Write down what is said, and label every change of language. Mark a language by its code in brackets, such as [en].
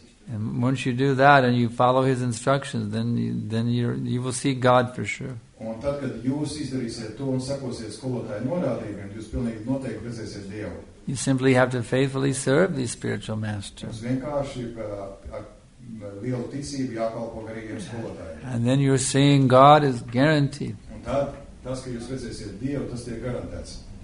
[en] And once you do that and you follow his instructions, then you will see God for sure. [lv] Un tad, kad jūs izdarīsiet to un sakosiet skolotāju norādījumiem, jūs pilnīgi noteikti redzēsiet Dievu. [en] You simply have to faithfully serve these spiritual masters. [lv] Jūs vienkārši ar lielu ticību jākalpo garīgiem skolotājiem. [en] And then you're seeing God is guaranteed. [lv] Un tad, tas, ka jūs redzēsiet Dievu, tas tiek garantēts.